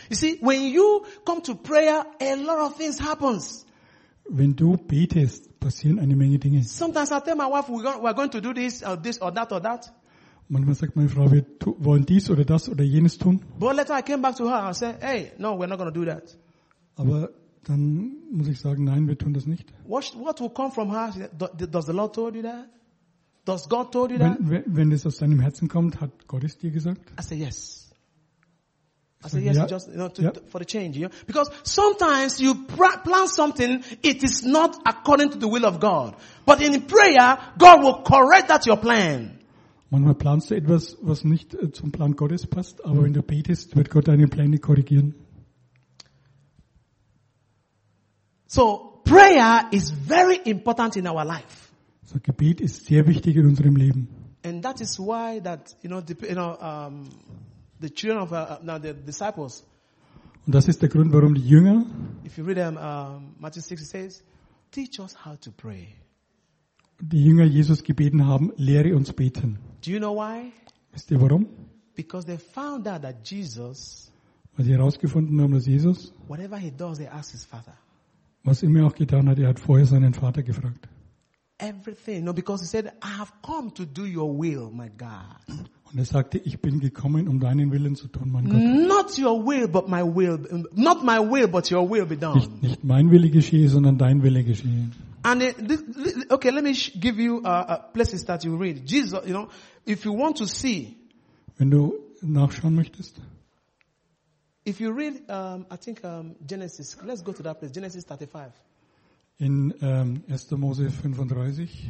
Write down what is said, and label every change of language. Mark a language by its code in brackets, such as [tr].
[en] You see, when you come to prayer, a lot of things happens. [de] Wenn du betest, passieren eine Menge Dinge. [en] Sometimes I tell my wife, we're going to do this, or this, or that, or that. [de] Manchmal sagt meine Frau, wir wollen dies oder das oder jenes tun. [en] But later I came back to her, I said, hey, no, we're not going to do that. [de] Aber dann muss ich sagen, nein, wir tun das nicht. [en] What will come from her? Does the Lord told you that? Does God told you that? [de] Wenn es aus deinem Herzen kommt, hat Gott es dir gesagt? [en] I say yes. I say yes. Just, you know, for the change. You know? Because sometimes you plan something, it is not according to the will of God. But in prayer, God will correct that your plan. [de] Manchmal planst du etwas, was nicht zum Plan Gottes passt, aber wenn du betest, wird Gott deine Pläne korrigieren. [en] So, prayer is very important in our life. [de] So, Gebet ist sehr wichtig in unserem Leben. [en] And that is why that the children of now the disciples. [de] Und das ist der Grund, warum die Jünger. [en] If you read Matthew 6, it says, "Teach us how to pray." [de] Die Jünger Jesus gebeten haben, lehre uns beten. [en] Do you know why? [de] Wisst ihr warum? [en] Because they found out that Jesus. [de] Weil sie herausgefunden haben, dass Jesus. [en] Whatever he does, they ask his father. [de] Was immer auch getan hat, er hat vorher seinen Vater gefragt. [en] Everything, no, because he said, "I have come to do your will, my God." [de] Und er sagte, ich bin gekommen, um deinen Willen zu tun, mein Gott. [en] Not your will, but my will. Not my will, but your will be done. [de] Nicht mein Wille geschehe, sondern dein Wille geschehe. [en] And okay, let me give you places that you read. Jesus, you know, if you want to see. [de] Wenn du nachschauen möchtest. [en] If you read, Genesis. Let's go to that place. Genesis 35. [de] In 1. Mose 35.